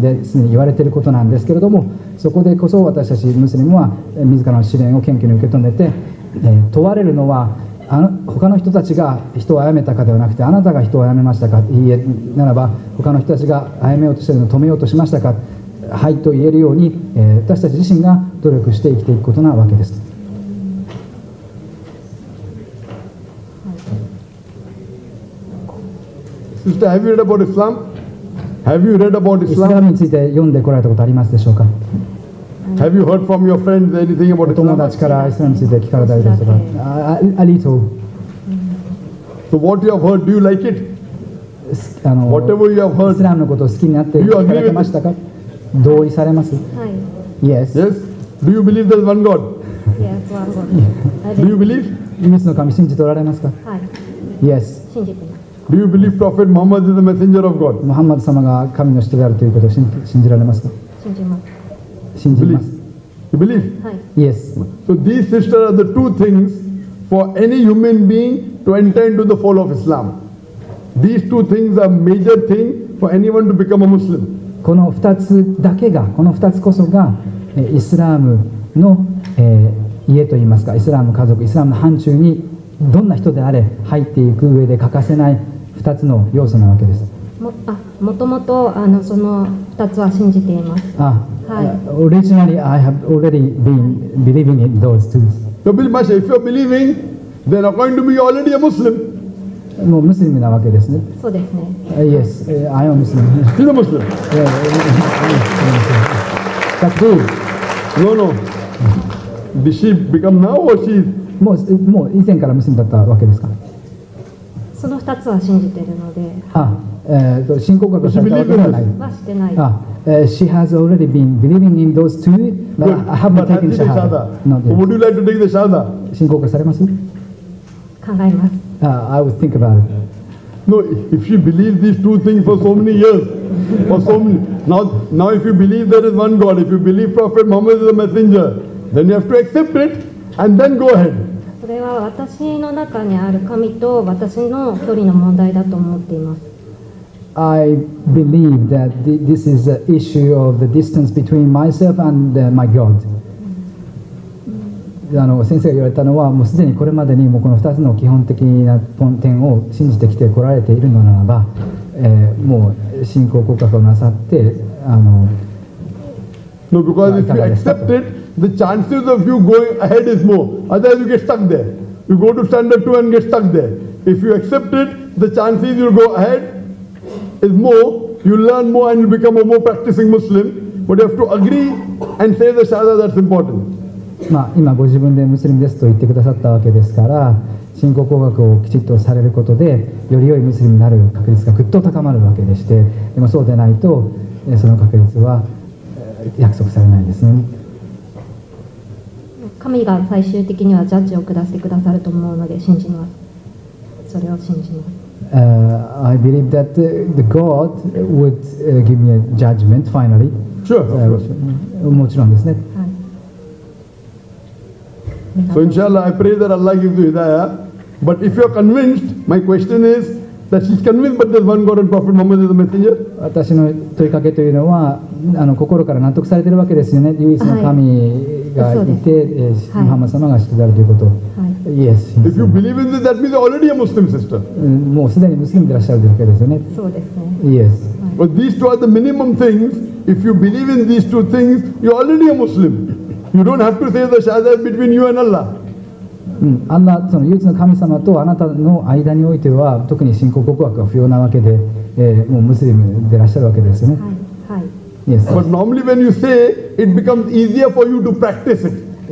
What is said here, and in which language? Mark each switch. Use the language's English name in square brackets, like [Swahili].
[Japanese] 言われていることなんですけれども、そこでこそ私たちムスリムは、自らの試練を謙虚に受け止めて、問われるのは、 他の人たちが人を殺めたかではなくて、あなたが人を殺めましたか、いいえ、ならば他の人たちが殺めようとしているのを止めようとしましたか、はいと言えるように、私たち自身が努力して生きていくことなわけです。 [English] Sister, have you read about Islam? Have you read about Islam? [Japanese] イスラムについて読んでこられたことありますでしょうか? [English] Have you heard from your friends anything about Islam? [Japanese] お友達からイスラムについて聞かれたりですとか? [English] A little. So what you have heard, do you like it? Whatever you have heard, [Japanese] Islamのことを好きになっていただけましたか? どうされます? [English] Yes. Yes. Do you believe there is one God? Yes, one God. Do you believe? [Japanese] イエスの神信じておられますか? [English] Yes. [Japanese] 信じています。 [English] Do you believe Prophet Muhammad is the messenger of God? [Japanese] ムハンマド様が神の使者であるということを信じられますか? 信じます。 [English] You believe? Yes. So these sisters are the two things for any human being to enter into the fold of Islam. These two things are major thing for anyone to become a Muslim. [Japanese] この2つだけが、この2つこそが、イスラムの、家といいますか、イスラム家族、イスラムの範疇にどんな人であれ入っていく上で欠かせない2つの要素なわけです。もともとその2つは信じています。 [English] Originally, I have already been believing in those two. So, Masha, if you're believing, then according to me, you're already a Muslim. [Japanese] もうムスリムなわけですね。そうですね。 [English] Yes, I am Muslim. You're a Muslim. But who? No, no. Did she become now or she? [Japanese] もう以前からムスリムだったわけですか。その2つは信じているので。信仰告白されたわけではない。はしてない。 [English] She has already been believing in those two, but I have not taken shahada. Would you like to take the shahada? [Japanese] 信仰告白されます？考えます。 [English] I would think about it. No, if she believes these two things for so many years, for so many, now if you believe there is one God, if you believe Prophet Muhammad is a messenger, then you have to accept it and then go ahead. [Japanese] それは私の中にある神と私の距離の問題だと思っています。 [English] I believe that this is an issue of the distance between myself and my God. [Japanese] 先生が言われたのは、もうすでにこれまでにもうこの2つの基本的な点を信じてきてこられているのならば、もう信仰告白をなさって、 [English] No, because if you accept it, the chances of you going ahead is more. Otherwise, you get stuck there. You go to standard 2 and get stuck there. If you accept it, the chances you'll go ahead. Is more, you learn more and you become a more practicing Muslim. But you have to agree and say the shahada. That's important. [Japanese] まあ今ご自分でムスリムですと言ってくださったわけですから、信仰告白をきちっとされることでより良いムスリムになる確率がぐっと高まるわけでして、でもそうでないとその確率は約束されないですね。神が最終的にはジャッジを下してくださると思うので信じます。それを信じます。 [English] I believe that the God would give me a judgment finally. Sure. [Japanese] もちろんですね。 [English] So inshallah, I pray that Allah gives you hidayah. But if you are convinced, my question is that she's convinced, but there's one God and Prophet Muhammad is the messenger. [Japanese] 私の問いかけというのは、心から納得されているわけですよね。唯一の神がいて、ムハンマド様が使徒であるということ。 [English] Yes, yes. If you believe in this, that means you're already a Muslim sister. [Japanese] もうすでにムスリムでいらっしゃるわけですよね。そうですね。 [English] Yes. But these two are the minimum things. If you believe in these two things, you're already a Muslim. You don't have to say the shahada between you and Allah. [Japanese] アッラー、その唯一の神様とあなたの間においては、特に信仰告白は不要なわけで、もうムスリムでいらっしゃるわけですよね。はい。 [English] Yes. But normally when you say, it becomes easier for you to practice it.